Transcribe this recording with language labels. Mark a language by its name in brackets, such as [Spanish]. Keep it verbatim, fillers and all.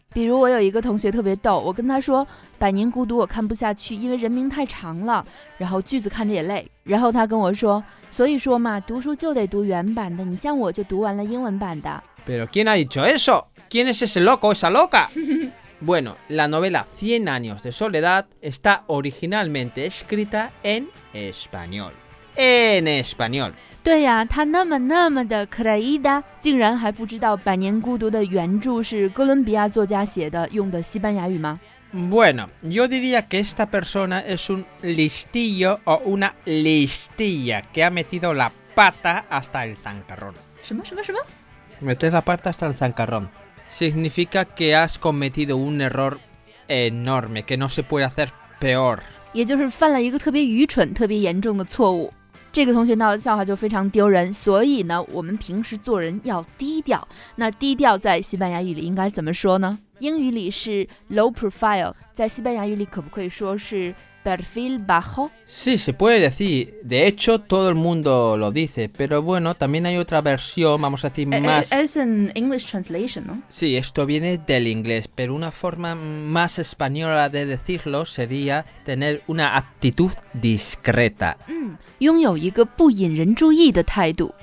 [Chinese] 比如我有一个同学特别逗，我跟他说百年孤独我看不下去，因为人名太长了，然后句子看着也累，然后他跟我说，所以说嘛，读书就得读原版的，你像我就读完了英文版的。 [Spanish] Pero ¿quién ha dicho eso? ¿Quién es ese loco, esa loca? Bueno, la novela Cien años de soledad está originalmente escrita en español. En español. [Chinese] 对呀、啊，他那么那么的 creída， 竟然还不知道《百年孤独》的原著是哥伦比亚作家写的，用的西班牙语吗？ [Spanish] Bueno, yo diría que esta persona es un listillo o una listilla que ha metido la pata hasta el zancarrón. [Chinese] 什么什么什么？ [Spanish] Meter la pata hasta el zancarrón. Significa que has cometido un error enorme, que no se puede hacer peor. [Chinese] 也就是犯了一个特别愚蠢、特别严重的错误。这个同学闹的笑话就非常丢人，所以呢，我们平时做人要低调。那低调在西班牙语里应该怎么说呢？英语里是 low profile， 在西班牙语里可不可以说是 [Spanish] perfil bajo? Sí, se puede decir. De hecho, todo el mundo lo dice. Pero bueno, también hay otra versión, vamos a decir, más... [English] Es an English translation, ¿no? [Spanish] Sí, esto viene del inglés, pero una forma más española de decirlo sería tener una actitud discreta. [Chinese] Mm, 拥有一个不引人注意的态度.